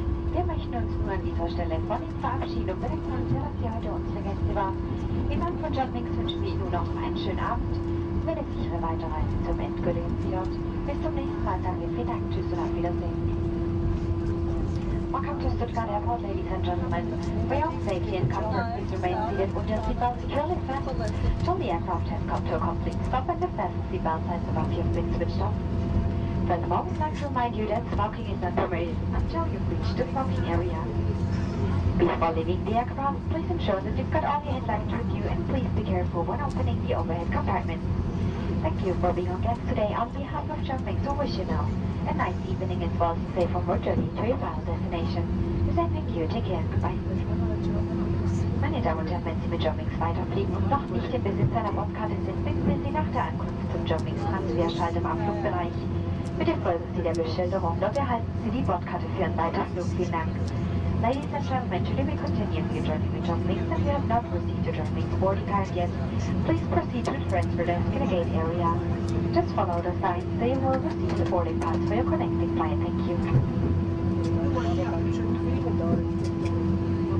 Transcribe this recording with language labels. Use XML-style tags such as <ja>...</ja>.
<de>Wir möchten uns nur an dieser Stelle von Ihnen verabschieden und bedanken uns sehr, dass Sie heute unsere Gäste waren. Im Namen von John Nix wünschen wir Ihnen nun noch einen schönen Abend und eine sichere Weiterreise zum endgültigen Ziel. Bis zum nächsten Mal, danke, vielen Dank, tschüss und auf Wiedersehen.</de> <en>Welcome to Stuttgart Airport, ladies and gentlemen. For your safety and comfort, please remain seated with your seatbelt securely fastened till the aircraft has come to a complete stop and the fastened seatbelt signs above you have been switched off. Furthermore, we'd like to remind you that smoking is not permitted until you've reached the smoking area. Before leaving the aircraft, please ensure that you've got all your headlights with you and please be careful when opening the overhead compartment. Thank you for being our guest today. On behalf of John Mix, we wish you now a nice evening as well as a safe on road journey to your final destination. We say thank you. Take care. Goodbye.</en> <de>Meine Damen und Herren, wenn Sie mit John Mix weiterfliegen und noch nicht im Besitz einer Bordkarte sind, bitten wir Sie nach der Ankunft zum John Mix Transferschalter im Abflugbereich. Bitte folgen Sie der Beschilderung. Dort erhalten Sie die Bordkarte für einen Weiterflug. Vielen Dank.</de> <en>Ladies and gentlemen, today we continue your journey with John Mix. If you have not received your John Mix boarding card yet, please proceed to the transfer desk in the gate area. Just follow the signs, they will receive the boarding pass for your connecting flight. Thank you.</en>